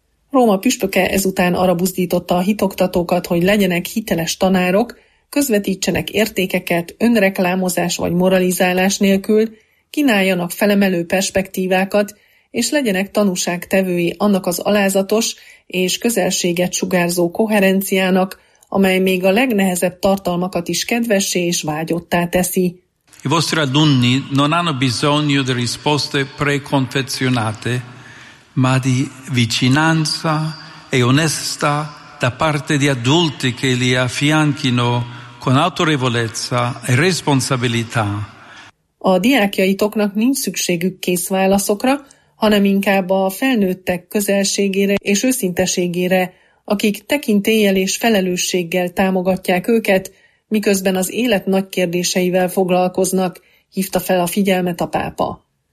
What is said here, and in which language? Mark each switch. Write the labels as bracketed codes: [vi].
[hu] Róma püspöke ezután arra buzdította a hitoktatókat, hogy legyenek hiteles tanárok, közvetítsenek értékeket önreklámozás vagy moralizálás nélkül, kínáljanak felemelő perspektívákat, és legyenek tanúságtevői annak az alázatos és közelséget sugárzó koherenciának, amely még a legnehezebb tartalmakat is kedvessé és vágyottá teszi. [it] I vostri alunni non hanno bisogno di risposte preconfezionate, ma di vicinanza e onestà da parte di adulti che li affianchino con autorevolezza e responsabilità. [hu] A diákjaitoknak nincs szükségük kész válaszokra, hanem inkább a felnőttek közelségére és őszinteségére, akik tekintéllyel és felelősséggel támogatják őket, miközben az élet nagy kérdéseivel foglalkoznak, hívta fel a figyelmet a pápa.